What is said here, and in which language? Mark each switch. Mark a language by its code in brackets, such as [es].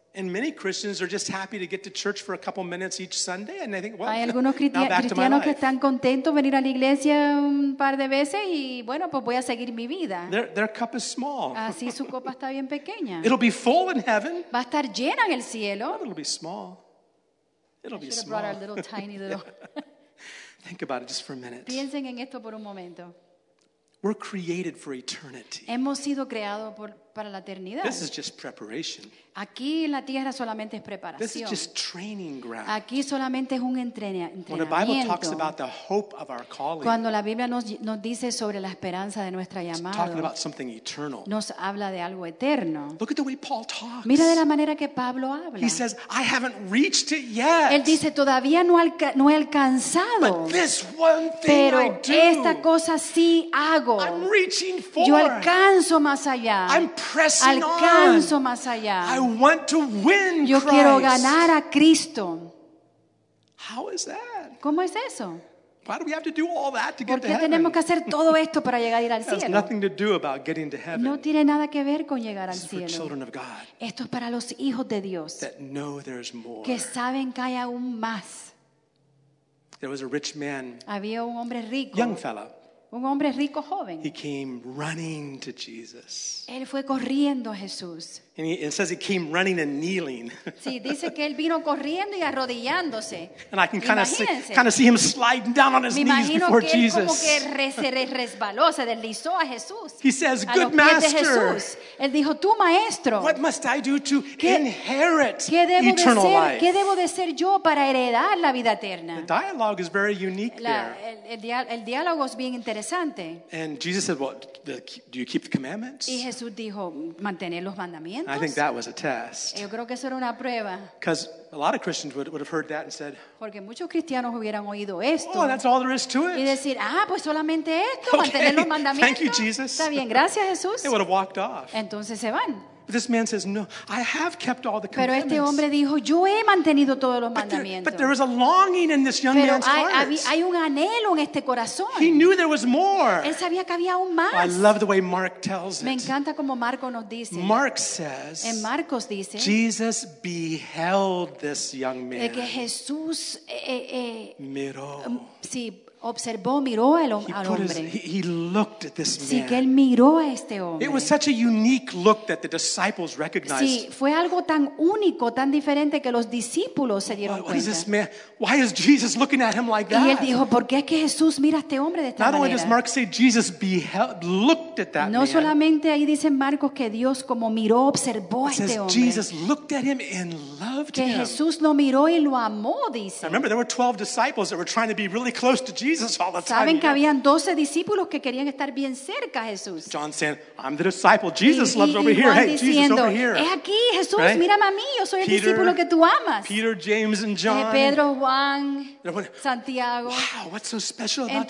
[en] And many Christians are just happy to get to church for a couple minutes each Sunday, and they think, well, [es] hay algunos cristianos que están contentos venir a la iglesia un par de veces y bueno, pues voy a seguir mi vida. [en] Their cup is small. [es] Así su copa está bien pequeña. [en] It'll be full in heaven. [es] Va a estar llena en el cielo. [en] But it'll be small. It'll be small. I should have brought our little tiny little. Think about it just for a minute. [es] Piensen en esto por un momento. [en] We're created for eternity. [es] Hemos sido creados para la eternidad. [en] This is just preparation. [es] Aquí en la tierra solamente es preparación. [en] This is just training ground. [es] Aquí solamente es un entrenamiento. [en] When the Bible talks about the hope of our calling, [es] cuando la Biblia nos dice sobre la esperanza de nuestra llamada, [en] it's talking about something eternal. [es] Nos habla de algo eterno. [en] Look at the way Paul talks. [es] Mira de la manera que Pablo habla. [en] He says, I haven't reached it yet. [es] Él dice, todavía no he alcanzado. [en] But this one thing [es] pero [en] I do, [es] esta cosa sí hago. [en] I'm reaching for. [es] Yo alcanzo más allá. [en] I'm pressing on. [es] Alcanzo más allá. [en] I want to win [es] yo [en] Christ. [es] Quiero ganar a Cristo. [en] How is that? [es] ¿Cómo es eso? [en] Why do we have to do all that to get to heaven? [es] ¿Por qué tenemos que hacer todo esto para llegar a ir al cielo? [en] It has nothing to do about getting to heaven. [es] No tiene nada que ver con llegar al cielo. [en] For children of God. [es] Esto es para los hijos de Dios. [en] That know there's more. [es] Que saben que hay aún más. [en] There was a rich man. [es] Había un hombre rico. [en] Young fellow. [es] Un hombre rico joven. [en] He came running to Jesus. [es] Él fue corriendo a Jesús. [en] And it says he came running and kneeling. [es] Sí, dice que él vino corriendo y arrodillándose. [en] And I can kind of see him sliding down on his knees before Jesus. [es] Me imagino que él como que resbaló, se deslizó a Jesús. [en] He says, "Good master." [es] Él dijo, "Tú maestro." [en] What must I do to inherit eternal life? [es] ¿Qué debo de ser yo para heredar la vida eterna? [en] The dialogue is very unique there. [es] El diálogo es bien interesante. [en] And Jesus said, "What? Do you keep the commandments?" [es] Y Jesús dijo, "Mantener los mandamientos." [en] I think that was a test. [es] Yo creo que eso era una prueba. [en] Because a lot of Christians would have heard that and said, [es] porque muchos cristianos hubieran oído esto. [en] Oh, that's all there is to it. [es] Y decir, ah, pues solamente esto, [en] okay. [es] Mantener los mandamientos. [en] Thank you, Jesus. [es] Está bien, gracias, Jesús. [en] They would have walked off. [es] Entonces se van. [en] But this man says, no, I have kept all the commandments. [es] Pero este hombre dijo, yo he mantenido todos los mandamientos. [en] But there was a longing in this young man's heart. [es] Hay un anhelo en este corazón. [en] He knew there was more. [es] Él sabía que había aún más. [en] I love the way Mark tells it. [es] Me encanta como Marco nos dice. [en] Mark says, [es] en Marcos dice, [en] Jesus beheld this young man. [es] Que Jesús miró. Sí, observó, miró al hombre. [en] He looked at this man. [es] Sí, que él miró a este hombre. [en] It was such a unique look that the disciples recognized. [es] Sí, fue algo tan único, tan diferente que los discípulos se dieron [en] what Is this man? Why is Jesus looking at him like that? [es] Y él dijo, ¿por qué es que Jesús mira a este hombre de esta [en] Not [es] manera? [en] Not only does Mark say Jesus beheld, looked at that [es] no [en] man. [es] No solamente ahí dice Marcos que Dios como miró, observó a este [en] says, [es] hombre. [en] Jesus looked at him and loved [es] que [en] him. [es] Que Jesús lo miró y lo amó, dice. [en] Now remember, there were 12 disciples that were trying to be really close to Jesus. Time, [es] saben que habían 12 discípulos que querían estar bien cerca a Jesús. [en] John saying, I'm the disciple. Jesus loves over here. [es] Diciendo, [en] hey, Jesus [es] diciendo, [en] over here. [es] Es aquí, Jesús, right? Mírame a mí. Yo soy [en] Peter, [es] el discípulo que tú amas. [en] Peter, James, and John. [es] Pedro, Juan, Santiago. [en] Wow, what's so special about